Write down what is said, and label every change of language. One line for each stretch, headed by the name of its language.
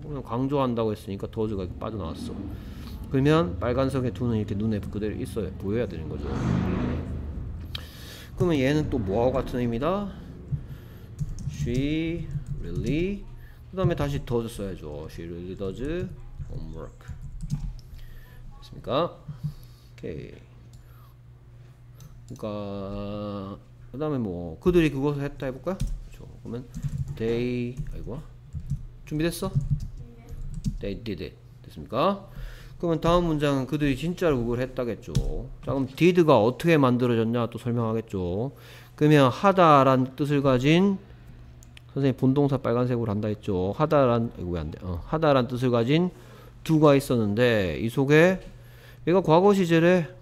Korean: 그러면 강조한다고 했으니까 does가 이렇게 빠져나왔어. 그러면 빨간색의 do는 이렇게 눈에 그대로 있어야 보여야 되는 거죠. 그러면 얘는 또 뭐하고 같은 의미다?
English: she really
Korean: 그 다음에 다시 does 써야죠.
English: she really does homework.
Korean: 됐습니까? 그니까 그 다음에 뭐 그들이 그것을 했다 해볼까? 그쵸. 그러면 they 아이고 준비됐어?
English: they did it
Korean: 됐습니까? 그러면 다음 문장은 그들이 진짜로 그걸 했다겠죠. 자 그럼 did가 어떻게 만들어졌냐 또 설명하겠죠. 그러면 하다란 뜻을 가진 선생님 본동사 빨간색으로 한다 했죠. 하다란 이거 왜 안 돼? 하다란 뜻을 가진 두가 있었는데 이 속에 얘가 과거 시제래.